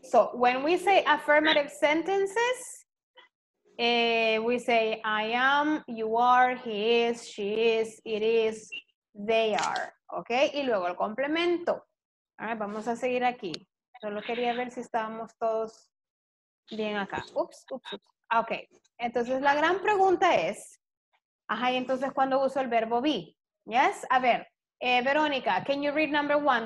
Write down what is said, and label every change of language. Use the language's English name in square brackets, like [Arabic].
[English] So, when we say affirmative sentences, we say, I am, you are, he is, she is, it is, they are. [Spanish] ¿Ok? Y luego el complemento. Right, vamos a seguir aquí. Solo quería ver si estábamos todos bien acá. Ups, ups, ups. Ok. Entonces la gran pregunta es, ajá, ¿y entonces cuándo uso el verbo be? [English] ¿Yes? [Spanish] A ver, [English] Verónica, can you read number one?